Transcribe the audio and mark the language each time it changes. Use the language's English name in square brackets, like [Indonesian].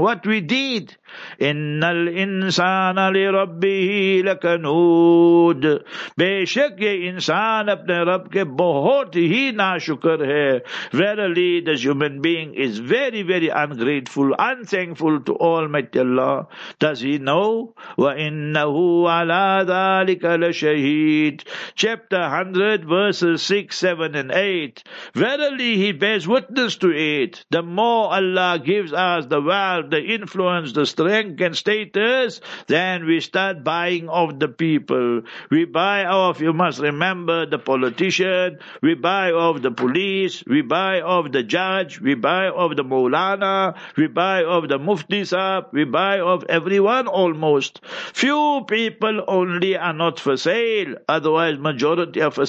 [English] What we did, [Arabic] إِنَّ الْإِنسَانَ لِرَبِّهِ لَكَنُودٌ [Urdu] بے شک یہ انسان اپنے رب کے بہت ہی ناشکر ہے [English] Verily, this human being is very, very ungrateful, unthankful to Almighty Allah. Does he know? [Arabic] وَإِنَّهُ عَلَى ذَلِكَ لَشَهِيدٌ [English] Chapter 100, verses 6, 7, and 8. Verily, he bears witness to it. The more Allah gives us the wealth, the influence, the rank and status, then we start buying off the people. We buy off, you must remember, the politician, we buy off the police, we buy off the judge, we buy off the Maulana, we buy off the Mufti Saab, we buy off everyone almost. Few people only are not for sale, otherwise majority are for